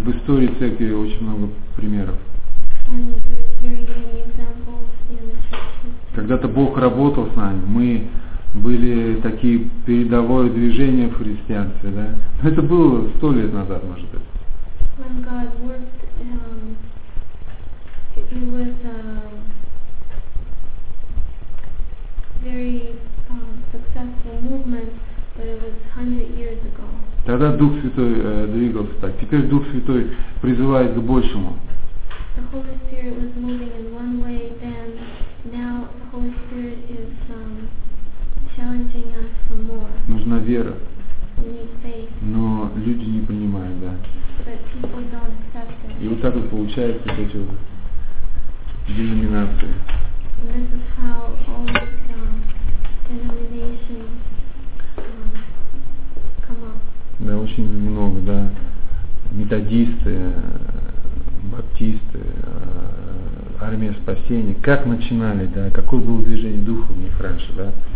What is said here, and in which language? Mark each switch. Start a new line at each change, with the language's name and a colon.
Russian: В истории церкви очень много примеров.
English: And there's very many examples in the church.
Russian: Когда-то Бог работал с нами, мы были такие передовые движения в христианстве, да? Но это было 100 лет назад, может быть.
English: When God worked, it was very successful movement, but it was 100 years ago.
Russian: Тогда Дух Святой двигался так. Теперь Дух Святой призывает к большему.
English: The Holy Spirit was moving in one way, then now the Holy Spirit is challenging us for more.
Russian: Нужна вера.
English: We need faith.
Russian: Но люди не понимают, да?
English: But people don't accept it.
Russian: И вот так вот получается эти вот деноминации.
English: And this is how all these denominations come up.
Russian: Да, очень много, да. Методисты, баптисты, армия спасения. Как начинали, да? Какое было движение духа у них раньше, да?